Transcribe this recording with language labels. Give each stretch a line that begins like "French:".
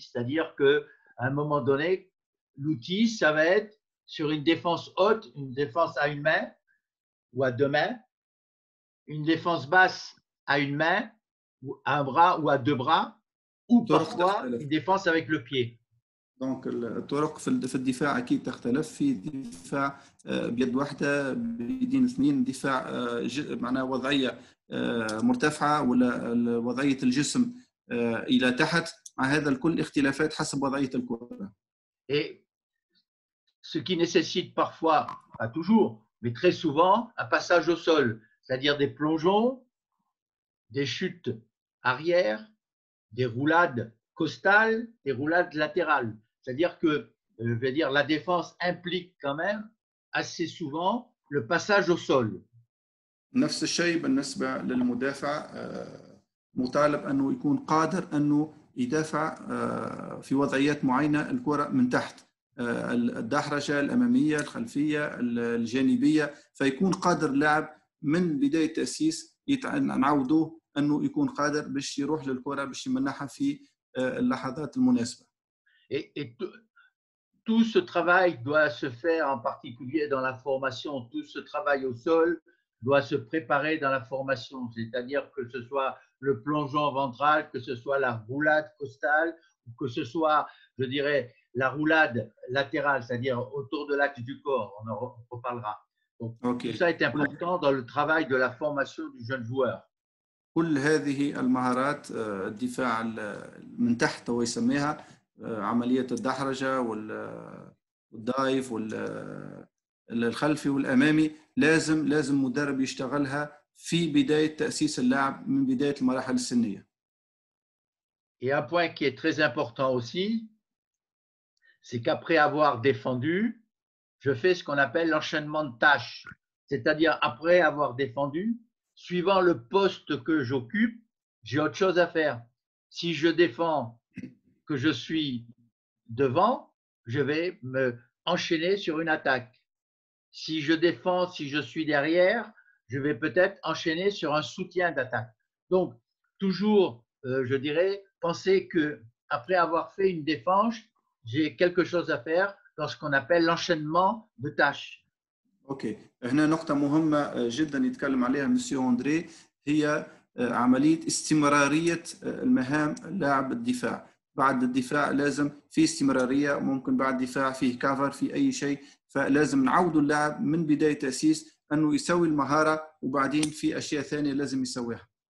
French: C'est-à-dire qu'à un moment donné, l'outil, ça va être sur une défense haute, une défense à une main ou à deux mains, une défense basse à une main, ou à un bras ou à deux bras, ou parfois une défense avec le pied.
Arabic: دونك الطرق في الدفاع اكيد تختلف، في دفاع بيد واحده بيدين اثنين، دفاع معناها وضعيه مرتفعه ولا وضعيه الجسم الى تحت، مع هذا الكل اختلافات حسب وضعيه الكره.
French: Et ce qui nécessite parfois, pas toujours, mais très souvent, un passage au sol, c'est-à-dire des plongeons, des chutes arrière, des roulades costales, des roulades latérales. C'est-à-dire que je vais dire, la défense implique quand même assez souvent le passage au sol.
Arabic: نفس الشيء بالنسبة للمدافع مطالب أنه يكون قادر أنه يدافع في وضعيات معينة الكرة من تحت الدحرجة الأمامية الخلفية الجانبية فيكون قادر لاعب من بداية التأسيس نعوده أنه يكون قادر باش يروح للكرة باش يمنحها في اللحظات المناسبة.
French: Et tout ce travail doit se faire en particulier dans la formation, tout ce travail au sol doit se préparer dans la formation, c'est-à-dire que ce soit le plongeon ventral, que ce soit la roulade costale, que ce soit, je dirais, la roulade latérale, c'est-à-dire autour de l'axe du corps, on en reparlera. Donc, okay. Tout ça est important dans le travail de la formation du jeune joueur.
Arabic: كل هذه المهارات الدفاع من تحت هو يسميها عملية الدحرجة والدايف والخلفي والأمامي لازم مدرب يشتغلها في بداية تأسيس اللاعب من بداية المراحل السنية.
French: Et un point qui est très important aussi, c'est qu'après avoir défendu, je fais ce qu'on appelle l'enchaînement de tâches. C'est-à-dire après avoir défendu, suivant le poste que j'occupe, j'ai autre chose à faire. Si je défends que je suis devant, je vais me enchaîner sur une attaque. Si je défends, si je suis derrière, je vais peut-être enchaîner sur un soutien d'attaque. Donc, toujours, je dirais, penser qu'après avoir fait une défense, j'ai quelque chose à faire dans ce qu'on appelle l'enchaînement de tâches. OK.
Arabic: هنا نقطة مهمة جدا يتكلم عليها مسيو أندري هي عملية استمرارية المهام لاعب الدفاع. بعد الدفاع لازم في استمرارية، ممكن بعد الدفاع فيه كفر في أي شيء، فلازم نعود اللاعب من بداية تأسيس أنه يسوي المهارة وبعدين في أشياء ثانية لازم يسويها.